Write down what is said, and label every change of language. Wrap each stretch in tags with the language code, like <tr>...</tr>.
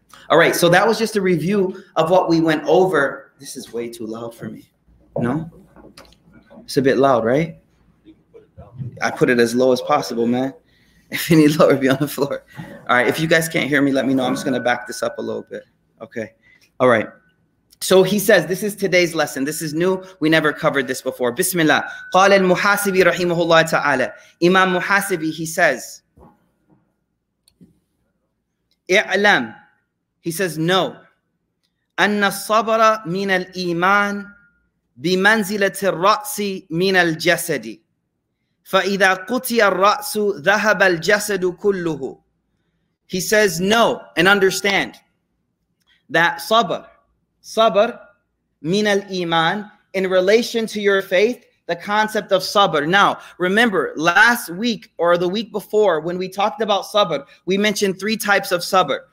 <en>All right, so that was just a review of what we went over. This is way too loud for me. No? It's a bit loud, right? I put it as low as possible, man. If any lower, be on the floor. All right, if you guys can't hear me, let me know. I'm just going to back this up a little bit. Okay. All right. So he says, this is today's lesson. This is new. We never covered this before.</en> <ar>Bismillah. قال المحاسبي رحمه الله تعالى.</ar> <en>Imam Muhasibi, he says, اعلم. He says, no.</en> <ar>أن الصبر من الإيمان بمنزلة الرأس من الجسد. فَإِذَا قُتِيَ الرَّأْسُ ذَهَبَ الْجَسَدُ كُلُّهُ.</ar> <en>He says, no, and understand that sabr, sabr, min al-iman, in relation to your faith, the concept of sabr. Now, remember, last week or the week before, when we talked about sabr, we mentioned three types of sabr.</en>